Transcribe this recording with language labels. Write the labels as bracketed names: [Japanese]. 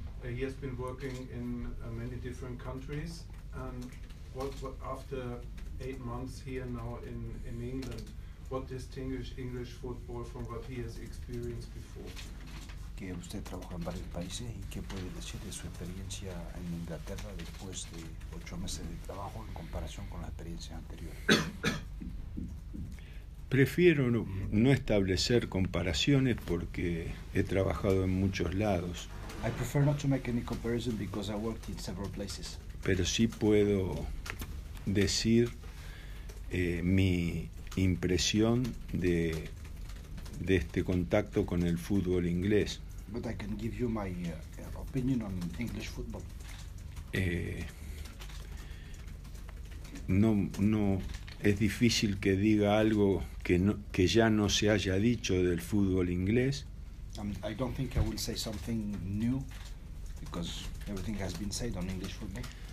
[English] He has been working in many different countries, and what after 8 months here now in England, what distinguishes English football from what he has experienced before? [Spanish] Que usted trabaja en varios países y qué puede decir de su experiencia en Inglaterra después de 8 meses de trabajo en comparación con la experiencia anterior. Prefiero no establecer comparaciones porque he trabajado en muchos lados. [English] I prefer not to make any comparison because I worked in several places. [Spanish] Pero sí puedo decir mi impresión de este contacto con el fútbol inglés. [English] But I can give you my opinion on English football. [Spanish] No es difícil que diga algo que ya no se haya dicho del fútbol inglés. [English] I don't think I will say something new because everything has been said on English football.